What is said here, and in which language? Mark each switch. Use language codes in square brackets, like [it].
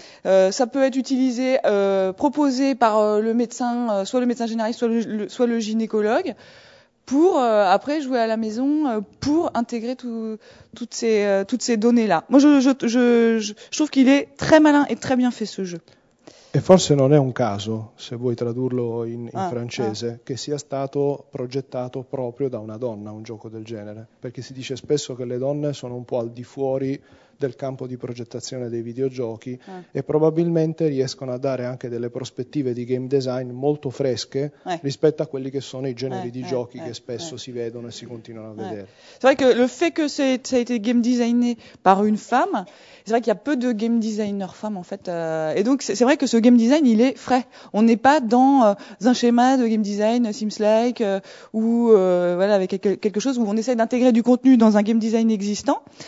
[fr] Ça peut être utilisé, proposé par le médecin, soit le médecin généraliste, soit le gynécologue, pour après jouer à la maison, pour intégrer toutes ces données-là. Moi, je trouve qu'il est très malin et très bien fait, ce jeu. [it] E forse non è un caso, se vuoi tradurlo in francese, che sia stato progettato proprio da una donna un gioco del genere, perché si dice spesso che le donne sono un po' al di fuori del campo di progettazione dei videogiochi e probabilmente riescono a dare anche delle prospettive di game design molto fresche rispetto a quelli che sono i generi di giochi che spesso si vedono e si continuano a vedere. [fr] C'est vrai que le fait que ça a été game designé par une femme, c'est vrai qu'il y a peu de game designer femmes en fait, et donc c'est vrai que ce game design il est frais. On n'est pas dans un schéma de game design Sims-like ou voilà, avec quelque chose où on essaye d'intégrer du contenu dans un game design existant.